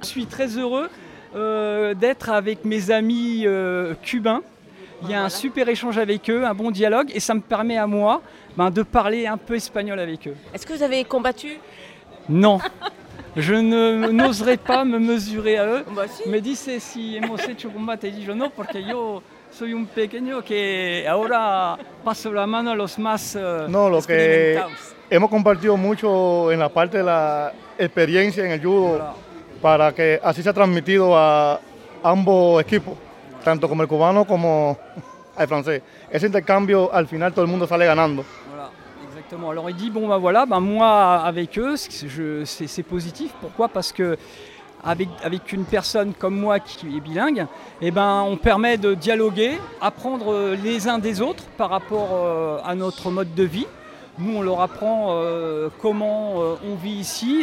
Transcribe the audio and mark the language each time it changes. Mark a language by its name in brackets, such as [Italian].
[French] Je suis très heureux d'être avec mes amis cubains. Il y a un super échange avec eux, un bon dialogue, et ça me permet à moi de parler un peu espagnol avec eux. Est-ce que vous avez combattu ? Non, je n'oserais pas me mesurer à eux. Mais [Spanish] dis, si hemos hecho combate, [French] dis je non, [Spanish] porque yo... Soy un pequeño que ahora paso la mano a los más experimentados. No, lo que hemos compartido mucho en la parte de la experiencia en el judo, para que así se ha transmitido a ambos equipos, tanto como el cubano como el francés. Ese intercambio, al final, todo el mundo sale ganando. [French] Exactement. Alors, il dit, moi, avec eux, c'est positif. Pourquoi ? Parce que... Avec une personne comme moi qui est bilingue, on permet de dialoguer, apprendre les uns des autres par rapport à notre mode de vie. Nous, on leur apprend comment on vit ici.